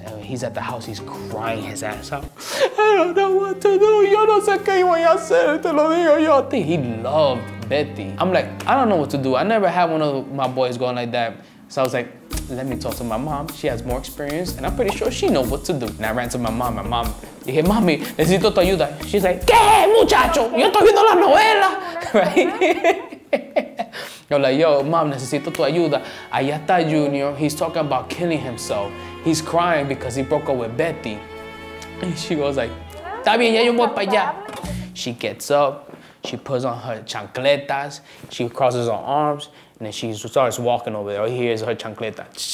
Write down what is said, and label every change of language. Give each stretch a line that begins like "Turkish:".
English: And he's at the house, he's crying his ass out. I don't know what to do.
Spanish: Yo no sé qué voy a hacer. Te lo digo yo.
English: He loved Betty. I'm like, I don't know what to do. I never had one of my boys going like that. So I was like, let me talk to my mom. She has more experience, and I'm pretty sure she knows what to do. And I ran to my mom. My mom,
Spanish: dije, mami, necesito tu ayuda.
English: She's like,
Spanish: ¿qué, muchacho? Yo estoy viendo la novela.
English: Right? I'm like, yo, mom,
Spanish: necesito tu ayuda. Allá está Junior.
English: He's talking about killing himself. He's crying because he broke up with Betty. And she goes like,
Spanish: está bien, ya yo voy para allá.
English: She gets up. She puts on her chancletas. She crosses her arms. And then she starts walking over there. Here is her chancleta.